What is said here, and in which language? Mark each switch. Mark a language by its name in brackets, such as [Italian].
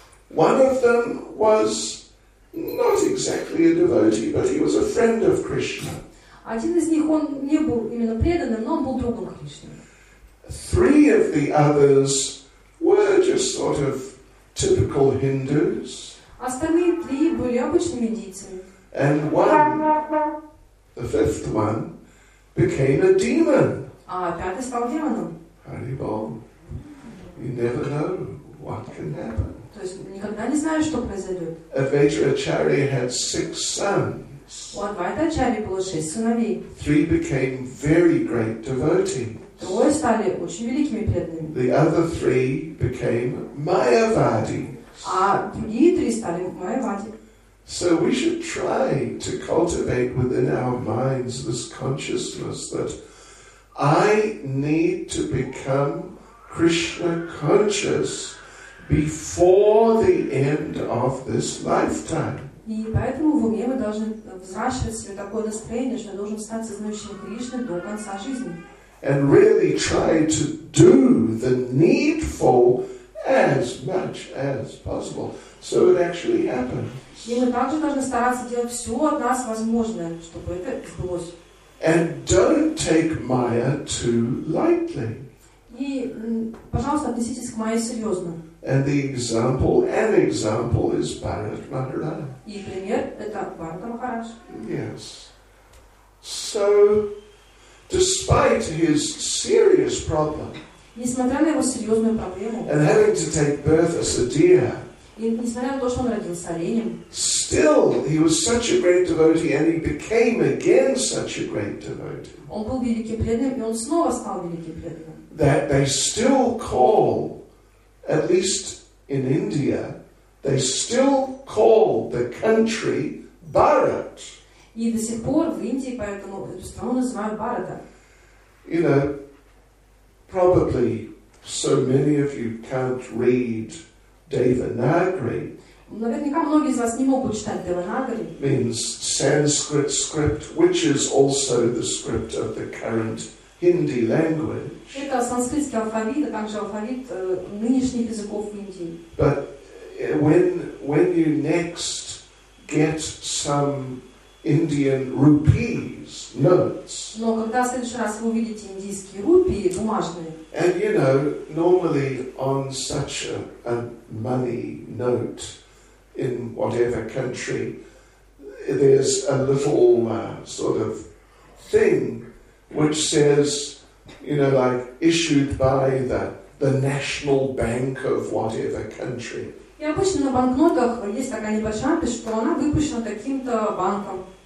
[English] One of them was not exactly a devotee, but he was a friend of Krishna. [Russian] Один из них, он не был именно преданным, но он был другом Кришны. [English] Three of the others were just sort of typical Hindus. [Russian] Остальные три были обычными индийцами. [English] And one, the fifth one, became a demon. [Russian] А пятый стал демоном. [English] Hare Bol. You never know what can happen. [Russian] То есть никогда не знаешь, что произойдет. [English] Advaita Acharya had six sons. [Russian] У Адвайта Ачарьи было шесть сыновей. [English] Three became very great devotees. [Russian] Трое стали очень великими преданными. [English] The other three became Mayavadi. [Russian] А другие три стали Mayavadi. [English] So we should try to cultivate within our minds this consciousness that I need to become Krishna conscious before the end of this lifetime. [Russian] И поэтому в уме мы должны взращивать себе такое настроение, что я должен стать сознающим Кришны до конца жизни. [English] And really try to do the needful as much as possible, so it actually happens. [Russian] И мы также должны стараться делать все от нас возможное, чтобы это сбылось. [English] And don't take Maya too lightly. [Russian] И, пожалуйста, относитесь к Майе серьезно. [English] And the example, an example is Bharat Maharaj. [Russian] И пример — это Бхарат Махарадж. [English] Yes. So, despite his serious problem, [Russian] несмотря на его серьезную проблему, [English] and having to take birth as a deer, [Russian] и несмотря на то, что он родился оленем, [English] still, he was such a great devotee, and he became again such a great devotee. [Russian] Он был великим преданным, и он снова стал великим преданным. [English] That they still call, at least in India, they still call the country Bharat. [Russian] И до сих пор в Индии поэтому эту страну называют Бхарата. [English] You know, probably so many of you can't read Devanagari. [Russian] Наверняка многие из вас не могут читать Devanagari. [English] Means Sanskrit script, which is also the script of the current Hindi language. [Russian] Это санскритский алфавит, а также алфавит нынешних языков Индии. [English] But when you next get some Indian rupees notes. [Russian] Но когда в следующий раз вы увидите индийские рупии бумажные. [English] And you know, normally on such a money note in whatever country, there's a little sort of thing which says, you know, like issued by the national bank of whatever country. [Russian] И обычно на банкнотах есть такая небольшая надпись, что она выпущена таким-то банком.